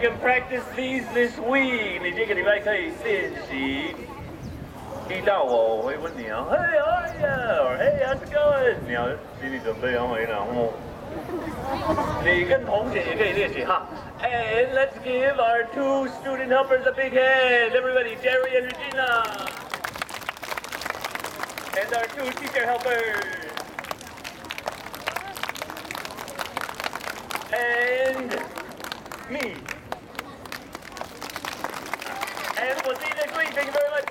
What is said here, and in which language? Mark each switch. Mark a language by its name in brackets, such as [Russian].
[English] Practice these this week. [Chinese] 你这个礼拜可以练习。遇到我，我会问你啊 ， [English] Hey, how are you? Hey, how's it going? [Chinese] 你要心理准备要回答我。你跟同学也可以练习哈。 [English] And let's give our two student helpers a big hand. Everybody, Jerry and Regina. And our two teacher helpers. And me.And [Chinese] 我自己的贵宾们